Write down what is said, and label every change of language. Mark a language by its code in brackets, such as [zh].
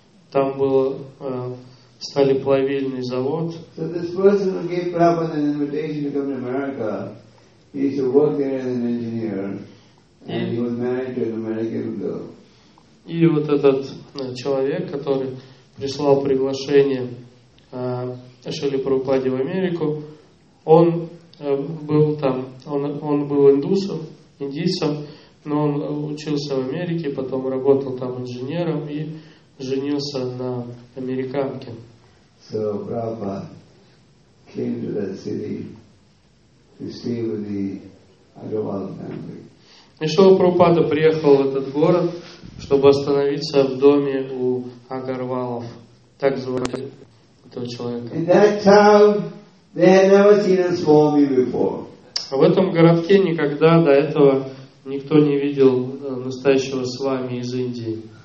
[ru] Там был стали плавильный завод. [en] So this person who gave Prabhupada an invitation to come to America, he used to work there as an engineer. And he was married to an American girl. [ru] И вот этот человек, который прислал приглашение Шриле Прабхупаде в Америку, он был там, он был индийцем, но он учился в Америке, потом работал там инженером и женился на американке. [en] So Prabhupada came to that city to stay with the Agarwal family. [ru] И Шрила Прабхупада приехал в этот город, чтобы остановиться в доме у Агарвалов, так звали этого человека. [en] In that town, they had never seen a swami before. [ru] В этом городке никогда до этого никто не видел настоящего свами из Индии.